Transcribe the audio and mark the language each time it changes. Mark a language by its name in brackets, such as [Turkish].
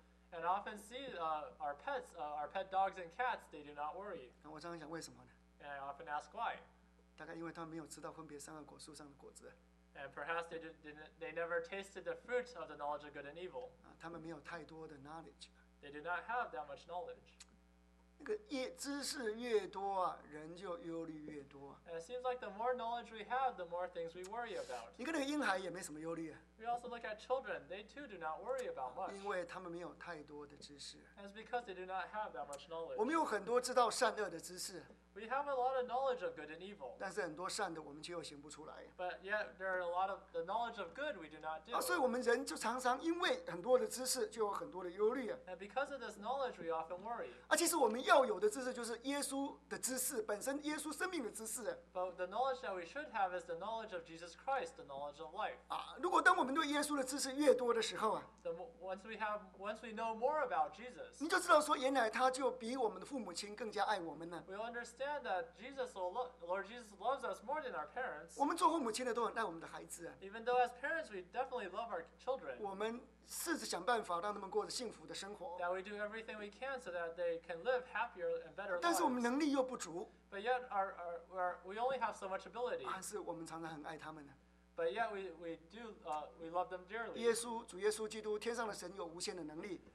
[English] And often see our pet dogs and cats, they do not worry. [Chinese] 那我常想为什么呢？ [English] And I often ask why. [Chinese] 大概因为他们没有吃到分别善恶果树上的果子。 [English] And perhaps they never tasted the fruit of the knowledge of good and evil. [Chinese] 啊，他们没有太多的 knowledge. [English] They do not have that much knowledge. [Chinese] 那个越知识越多啊，人就忧虑越多、啊。 [English] And it seems like the more knowledge we have, the more things we worry about. [Chinese] 你看那个婴孩也没什么忧虑、啊。 [English] We also look at children; they too do not worry about much. [Chinese] 因为他们没有太多的知识。 [English] And it's because they do not have that much knowledge. [Chinese] 我们有很多知道善恶的知识。 [English] We have a lot of knowledge of good and evil. [Chinese] 但是很多善的我们却又行不出来。 [English] But yet there are a lot of the knowledge of good we do not do. [Chinese] 啊，所以我们人就常常因为很多的知识，就有很多的忧虑啊。 [English] And because of this knowledge, we often worry. [Chinese] 啊，其实我们要有的知识就是耶稣的知识本身，耶稣生命的知识。 [English] But the knowledge that we should have is the knowledge of Jesus Christ, the knowledge of life. [Chinese] 啊，如果当我们对耶稣的知识越多的时候啊， [English] once we know more about Jesus, [Chinese] 你就知道说原来他就比我们的父母亲更加爱我们呢。 [English] We understand that Lord Jesus loves us more than our parents. [Chinese] 我们做父母亲的都很爱我们的孩子、啊。 [English] Even though as parents we definitely love our children. [Chinese] 我们试着想办法让他们过着幸福的生活。 [English] That we do everything we can so that they can live happier and better lives. [Chinese] 但是我们能力又不足。 [English] But yet we only have so much ability. [Chinese] 但是我们常常很爱他们呢。 [English] But yet we love them dearly. [Chinese] 耶稣主耶稣基督天上的神有无限的能力。